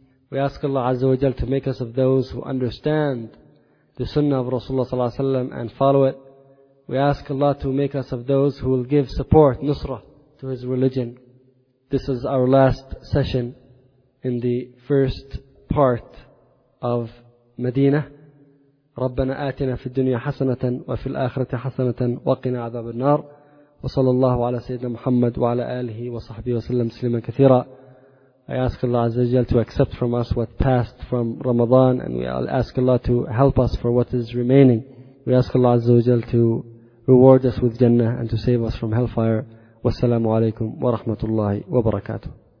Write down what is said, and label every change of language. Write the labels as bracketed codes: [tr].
[en] We ask Allah Azza wa Jal to make us of those who understand the sunnah of Rasulullah sallallahu alaihi wasallam and follow it. We ask Allah to make us of those who will give support, nusra, to his religion. This is our last session in the first part of Medina. [ar] ربنا آتنا في الدنيا حسنة وفي الآخرة حسنة وقنا عذاب النار وصلى الله على سيدنا محمد وعلى آله وصحبه وسلم تسليما كثيرا. [en] I ask Allah Azza wa Jal to accept from us what passed from Ramadan, and we ask Allah to help us for what is remaining. We ask Allah Azza wa Jal to reward us with Jannah and to save us from hellfire. [ar] والسلام عليكم ورحمة الله وبركاته.